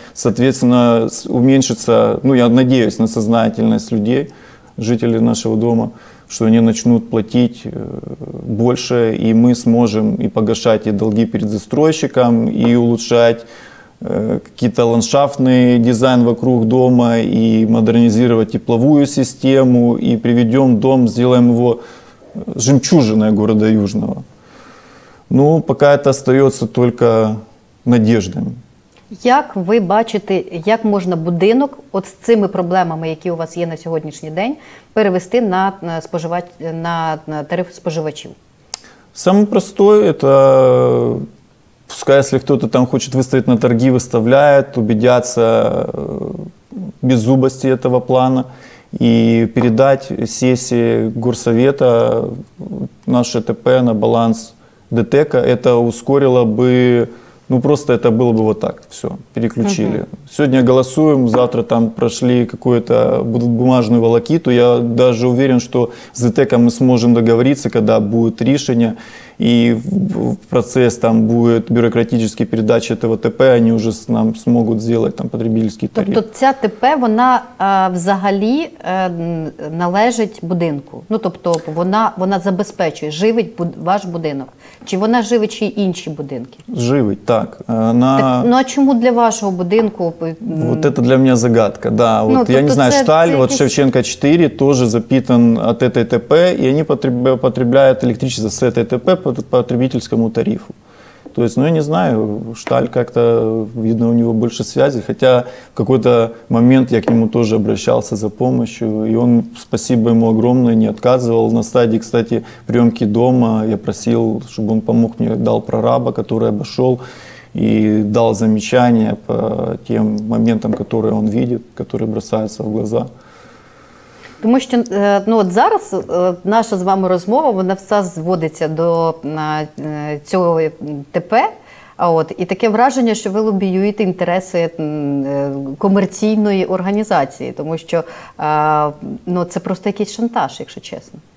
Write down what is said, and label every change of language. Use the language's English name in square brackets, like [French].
[Russian] Соответственно, уменьшится, я надеюсь, на сознательность людей, жителей нашего дома, что они начнут платить больше, и мы сможем и погашать и долги перед застройщиком, и улучшать какие-то ландшафтные дизайн вокруг дома и модернизировать тепловую систему, и приведем дом, сделаем его жемчужиной города Южного. Ну, пока это остается только надеждами. [Ukrainian] Як ви бачите, як можна будинок от з цими проблемами, які у вас є на сьогоднішній день, перевести на тариф споживачів? [Russian] Самое простое, это пускай, если кто-то там хочет выставить на торги, выставляет, убедятся в беззубости этого плана и передать сессии горсовета наше ТП на баланс ДТЭКа, это ускорило бы, ну просто это было бы вот так, все, переключили. Угу. Сегодня голосуем, завтра там прошли какую-то бумажную волокиту, я даже уверен, что с ДТЭКом мы сможем договориться, когда будет решение, и процесс там будет бюрократической передачи этого ТП, они уже нам смогут сделать там потребительский тариф. То есть эта ТП, она [Ukrainian] взагалі належит будинку? [Russian] Ну, то есть она обеспечивает, живет [Ukrainian] ваш будинок? Чи вона живет чи інші будинки? [Russian] Живет, так. Она... так. [Ukrainian] Ну, а чому для вашого будинку? [Russian] Вот это для меня загадка, да. Вот, ну, я не знаю, шталь, вот Шевченка 4 тоже запитан от этой ТП, и они потребляют электричество с этой ТП по потребительскому тарифу. То есть, ну, я не знаю, шталь как-то, видно, у него больше связи, хотя в какой-то момент я к нему тоже обращался за помощью, и он, спасибо ему огромное, не отказывал. На стадии, кстати, приемки дома я просил, чтобы он помог мне, дал прораба, который обошел, и дал замечания по тем моментам, которые он видит, которые бросаются в глаза. [Ukrainian] Тому що, ну, от зараз наша з вами розмова, вона вся зводиться до цього ТП. А от, і таке враження, що ви лобіюєте інтереси комерційної організації, тому що, ну, це просто якийсь шантаж, якщо чесно.